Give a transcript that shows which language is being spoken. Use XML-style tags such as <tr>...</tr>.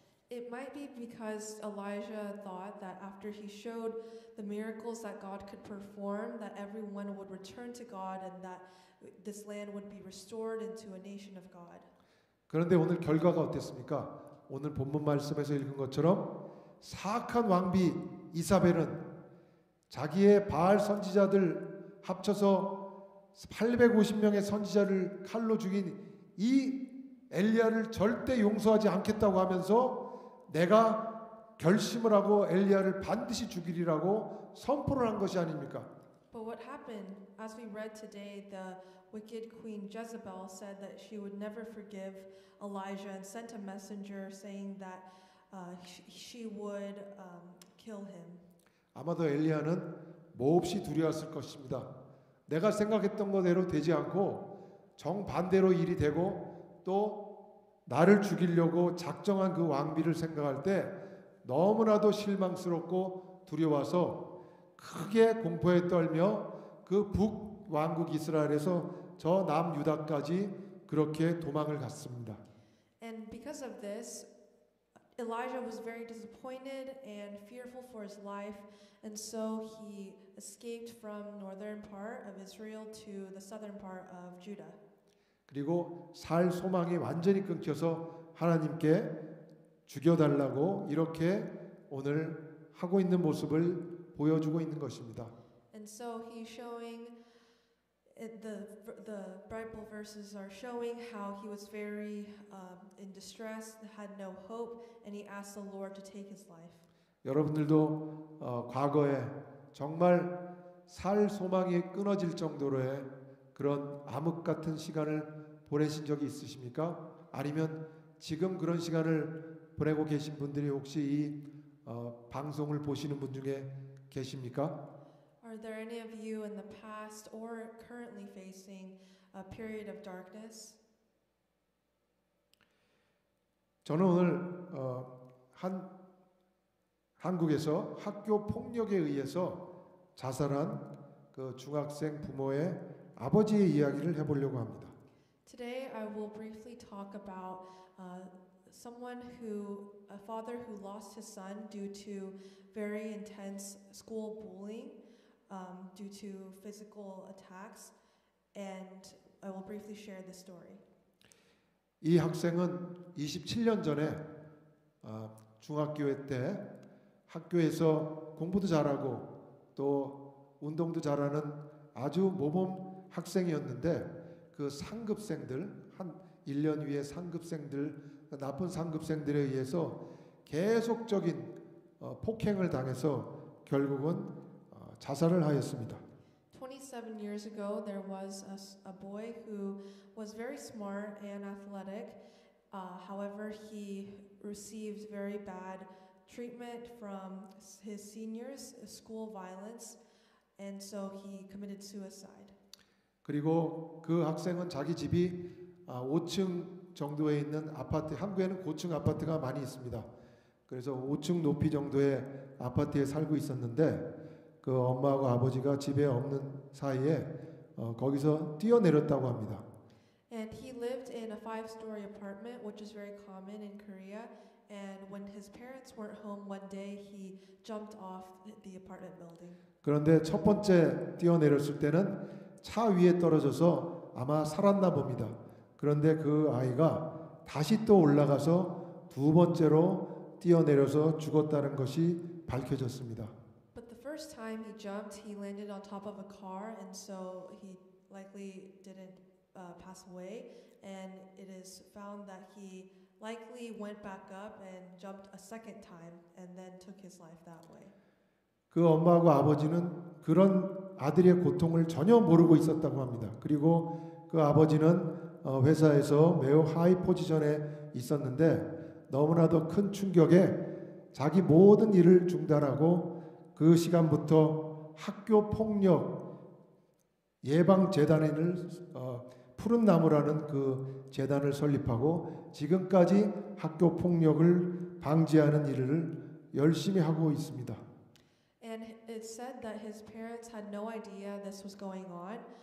<en>It might be because Elijah thought that after he showed the miracles that God could perform, that everyone would return to God and that this land would be restored into a nation of God.</en> <ko>그런데 오늘 결과가 어땠습니까? 오늘 본문 말씀에서 읽은 것처럼 사악한 왕비 이사벨은 자기의 바알 선지자들 합쳐서 850명의 선지자를 칼로 죽인 이 엘리야를 절대 용서하지 않겠다고 하면서 내가 결심을 하고 엘리야를 반드시 죽이리라고 선포를 한 것이 아닙니까?</ko> <en>But what happened? As we read today, the wicked queen Jezebel said that she would never forgive Elijah and sent a messenger saying that she would kill him.</en> <ko>아마도 엘리야는 몹시 두려웠을 것입니다. 내가 생각했던 것대로 되지 않고 정반대로 일이 되고 또 나를 죽이려고 작정한 그 왕비를 생각할 때 너무나도 실망스럽고 두려워서 크게 공포에 떨며 그 북왕국 이스라엘에서 저 남유다까지 그렇게 도망을 갔습니다.</ko> <en>And because of this, Elijah was very disappointed and fearful for his life, and so he escaped from northern part of Israel to the southern part of Judah.</en> <ko>그리고 살 소망이 완전히 끊겨서 하나님께 죽여달라고 이렇게 오늘 하고 있는 모습을 보여주고 있는 것입니다.</ko> <en>And so he's showing the Bible verses are showing how he was very in distress, had no hope, and he asked the Lord to take his life.</en> <ko>여러분들도 과거에 정말 살 소망이 끊어질 정도로의 그런 암흑 같은 시간을 보내신 적이 있으십니까? 아니면 지금 그런 시간을 보내고 계신 분들이 혹시 이 방송을 보시는 분 중에 계십니까?</ko> <en>Are there any of you in the past or currently facing a period of darkness?</en> <ko>저는 오늘 한국에서 학교 폭력에 의해서 자살한 그 중학생 부모의 아버지의 이야기를 해보려고 합니다.</ko> <en>Today I will briefly talk about someone who a father who lost his son due to very intense school bullying due to physical attacks and I will briefly share this story.</en> <ko>이 학생은 27년 전에 중학교 때 학교에서 공부도 잘하고 또 운동도 잘하는 아주 모범 학생이었는데 그 상급생들 한 1년 위에 상급생들 나쁜 상급생들에 의해서 계속적인 폭행을 당해서 결국은 자살을 하였습니다.</ko> <en>27 years ago there was a boy who was very smart and athletic. However, he received very bad treatment from his seniors, school violence, and so he committed suicide.</en> <ko>그리고 그 학생은 자기 집이 5층 정도에 있는 아파트, 한국에는 고층 아파트가 많이 있습니다. 그래서 5층 높이 정도의 아파트에 살고 있었는데 그 엄마하고 아버지가 집에 없는 사이에 거기서 뛰어내렸다고 합니다.</ko> <en>And he lived in a five-story apartment, which is very common in Korea. And when his parents weren't home one day, he jumped off the apartment building.</en> <ko>그런데 첫 번째 뛰어내렸을 때는 차 위에 떨어져서 아마 살았나 봅니다. 그런데 그 아이가 다시 또 올라가서 두 번째로 뛰어내려서 죽었다는 것이 밝혀졌습니다.</ko> <en>But the first time he jumped, he landed on top of a car, and so he likely didn't pass away. And it is found that he likely went back up and jumped a second time, and then took his life that way.</en> <ko>그 엄마하고 아버지는 그런 아들의 고통을 전혀 모르고 있었다고 합니다. 그리고 그 아버지는 회사에서 매우 하이 포지션에 있었는데 너무나도 큰 충격에 자기 모든 일을 중단하고 그 시간부터 학교 폭력 예방 재단을 푸른 나무라는 그 재단을 설립하고 지금까지 학교 폭력을 방지하는 일을 열심히 하고 있습니다.</ko> <en>And it said that his parents had no idea this was going on.</en>